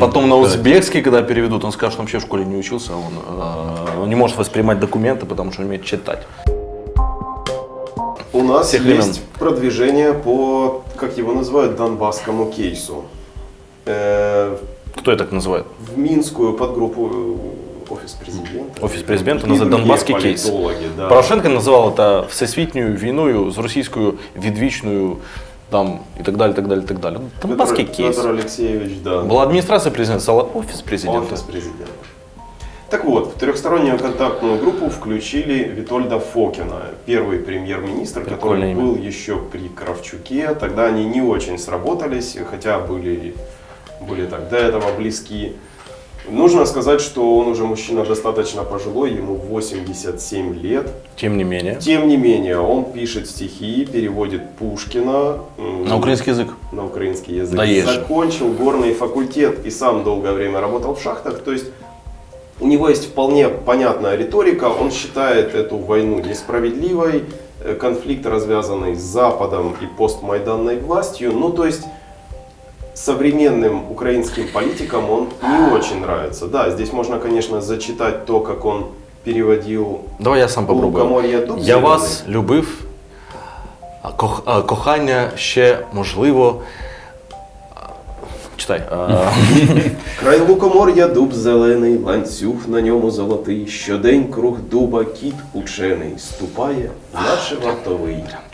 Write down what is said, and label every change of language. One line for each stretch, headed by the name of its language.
Russian: Потом на узбекский, когда переведут, он скажет, что вообще в школе не учился, он не может воспринимать документы, потому что умеет читать. У нас есть продвижение по, как его называют, донбасскому кейсу. Кто это так называет? В Минскую подгруппу офис президента. Офис президента называют донбасский кейс. Да. Порошенко называл это
Ukrainian: всесвітньою війною с російською відвічною
Russian: там и так далее, и так далее, и так далее. Донбасский Петр, кейс. Петр Алексеевич, да. Была администрация президента, стала офис президента. Офис президента. Так вот, в трехстороннюю контактную группу включили Витольда Фокина, первый премьер-министр, прикольное который имя. Был еще при Кравчуке. Тогда они не очень сработались, хотя были так до этого близки. Нужно сказать, что он уже мужчина достаточно пожилой, ему 87 лет. Тем не менее, он пишет стихи, переводит Пушкина. На украинский язык? На украинский язык. Да есть. Закончил горный факультет и сам долгое время работал в шахтах. То есть у него есть вполне понятная риторика, он считает эту войну несправедливой, конфликт, развязанный с Западом и постмайданной властью. Ну, то есть современным украинским политикам он не очень нравится. Да, здесь можно, конечно, зачитать то, как он переводил. Давай я сам попробую.
Ukrainian: Я вас любив, кохання ще можливо.
Russian: Читай.
Ukrainian: Край лукоморья дуб зелений, ланцюг на ньому золотий, щодень круг дуба кіт учений, ступає наче вартовий.